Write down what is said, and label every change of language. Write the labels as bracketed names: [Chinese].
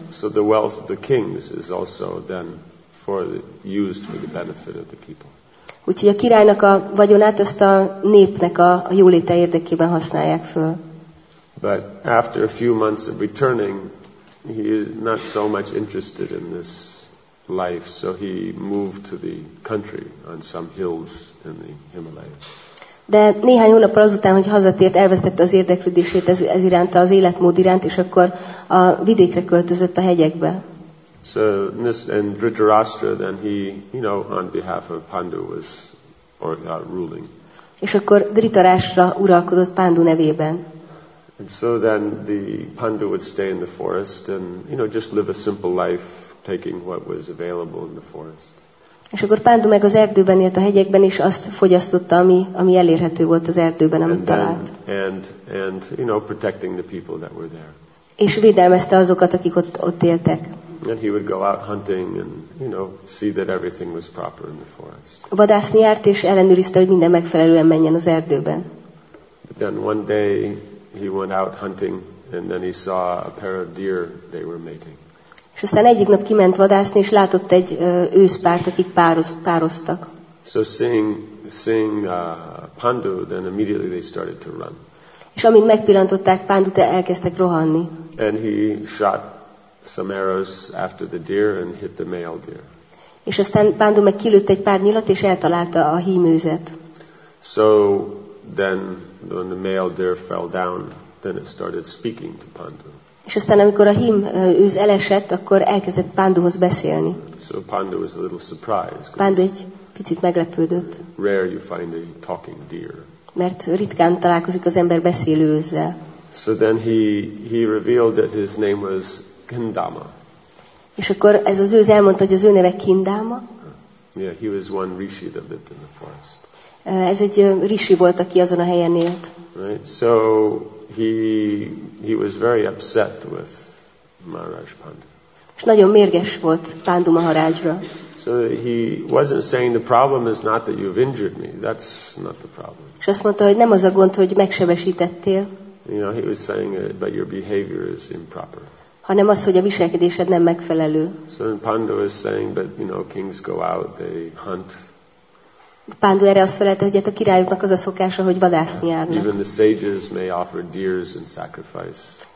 [English] So the wealth of the kings is also then for the, used for the benefit of the people. [Hungarian] Úgyhogy a királynak a vagyonát ezt a népnek a jóléte érdekében használják föl. [English] But after a few months of returning, he is not so much interested in this life, so he moved to the country on some hills in the Himalayas. [Hungarian] De néhány hónap azután, hogy hazatért, elvesztette az érdeklődését ez iránt, az életmód iránt, és akkor a vidékre költözött a hegyekbe. [English] So this, and Dhritarashtra, then he, you know, on behalf of Pandu was ruling. [Hungarian] És akkor Dhritarashtra uralkodott Pandu nevében. [English] And so then the Pandu would stay in the forest and, you know, just live a simple life, taking what was available in the forest. [Hungarian] És akkor Pandu meg az erdőben élt a hegyekben, és azt fogyasztotta, ami elérhető volt az erdőben, amit talált. [English] And you know, protecting the people that were there. [Hungarian] És védelmezte azokat, akik ott éltek. [English] And he would go out hunting and, you know, see that everything was proper in the forest. [Hungarian] Vadászni járt, és ellenőrizte, hogy minden megfelelően menjen az erdőben. [English] But then one day he went out hunting and then he saw a pair of deer, they were mating. [Hungarian] És aztán egyik nap kiment vadászni, és látott egy őszpárt, akik pároztak. [English] So seeing Pandu, then immediately they started to run. [Hungarian] És amint megpillantották Pandut, elkezdtek rohanni. [English] And he shot some arrows after the deer and hit the male deer. [Hungarian] És aztán Pandu meg kilőtt egy pár nyilat és eltalálta a hímőzet. [English] So then when the male deer fell down, then it started speaking to Pandu. [Hungarian] És aztán amikor a hím őz elesett, akkor elkezdett Panduhoz beszélni. [English] So Pandu was a little surprised. [Hungarian] Pandu egy picit meglepődött. [English] Rare you find a talking deer. [Hungarian] Mert ritkán találkozik az ember beszélő őzzel. [English] So then he revealed that his name was Kindama. [Hungarian] És akkor ez az őz elmondta, hogy az ő neve Kindama. [English] Yeah, he was one rishi that lived in the forest. [Hungarian] Ez egy rishi volt, aki azon a helyen élt. [English] Right. So he was very upset with Maharaj Pandu. [Hungarian] És nagyon mérges volt Pandu Maharajra. [English] So he wasn't saying the problem is not that you've injured me. That's not the problem. [Hungarian] És azt mondta, hogy nem az a gond, hogy megsebesítettél. [English] You know, he was saying it, but your behavior is improper. [Hungarian] Hanem az, hogy a viselkedésed nem megfelelő. [English] So Pandu is saying, but you know, kings go out, they hunt. [Hungarian] Pandu erre azt felelte, hogy hát a királyoknak az a szokása, hogy vadászni járnak. [English] Even the sages may offer deers in sacrifice.